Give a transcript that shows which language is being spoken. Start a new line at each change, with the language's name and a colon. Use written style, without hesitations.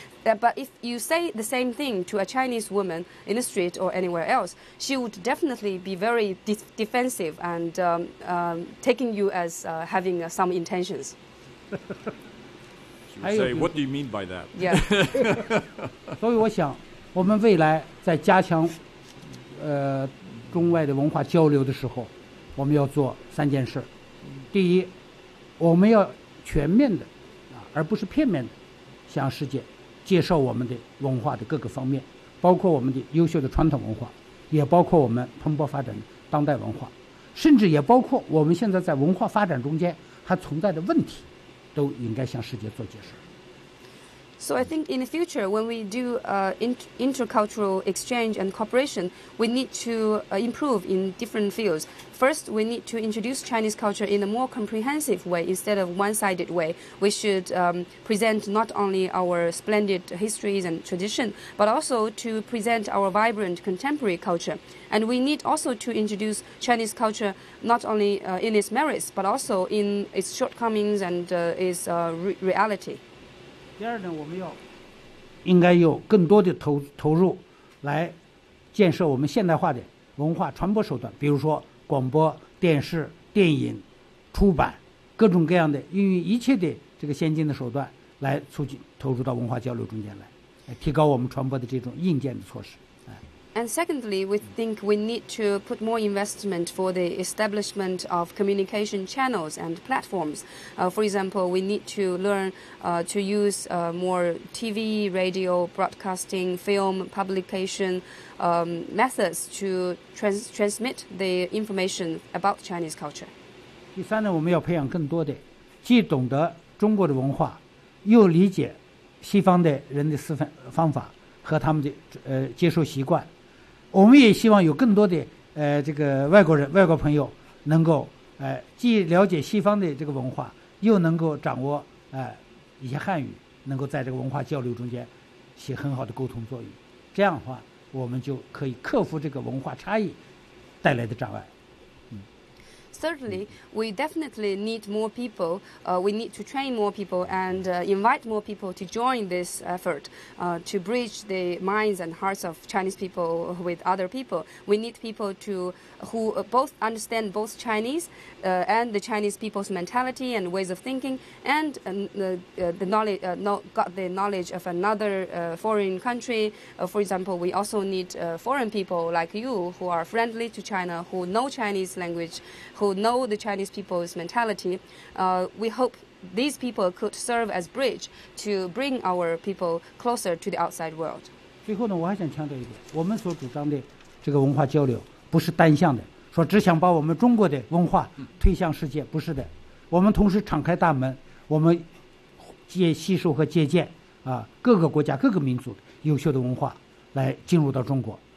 English: But if you say the same thing to a Chinese woman in the street or anywhere else, she would definitely be very defensive and taking you as having some intentions. She would say, what do you mean by that? Yeah.
Chinese: 所以我想，我们未来在加强中外的文化交流的时候，我们要做三件事。第一，我们要全面的，而不是片面的，向世界介绍我们的文化的各个方面。包括我们的优秀的传统文化，也包括我们蓬勃发展的当代文化，甚至也包括我们现在在文化发展中间还存在的问题，都应该向世界做解释。
English: So I think in the future, when we do intercultural exchange and cooperation, we need to improve in different fields. First, we need to introduce Chinese culture in a more comprehensive way instead of one-sided way. We should present not only our splendid histories and tradition, but also to present our vibrant contemporary culture. And we need also to introduce Chinese culture not only in its merits, but also in its shortcomings and its reality.
Chinese: 第二呢，我们要应该有更多的投入来建设我们现代化的文化传播手段，比如说广播、电视、电影、出版，各种各样的运用一切的这个先进的手段来促进投入到文化交流中间来，提高我们传播的这种硬件的措施。
English: And secondly, we think we need to put more investment for the establishment of communication channels and platforms. For example, we need to learn to use more TV, radio, broadcasting, film, publication methods to transmit the information about Chinese culture.
Chinese: 第三呢，我们要培养更多的，既懂得中国的文化，又理解西方的人的思想方法和他们的接受习惯。我们也希望有更多的这个外国人、外国朋友能够既了解西方的这个文化，又能够掌握一些汉语，能够在这个文化交流中间起很好的沟通作用。这样的话，我们就可以克服这个文化差异带来的障碍。
English: Certainly, we definitely need more people. We need to train more people and invite more people to join this effort to bridge the minds and hearts of Chinese people with other people. We need people who both understand both Chinese and the Chinese people's mentality and ways of thinking and got the knowledge of another foreign country. For example, we also need foreign people like you who are friendly to China, who know Chinese language, who know the Chinese people's mentality. We hope these people could serve as bridge to bring our people closer to the outside world.
Chinese: 最后呢，我还想强调一点，我们所主张的这个文化交流不是单向的，说只想把我们中国的文化推向世界，不是的。我们同时敞开大门，我们吸收和借鉴各个国家、各个民族的优秀的文化来进入到中国。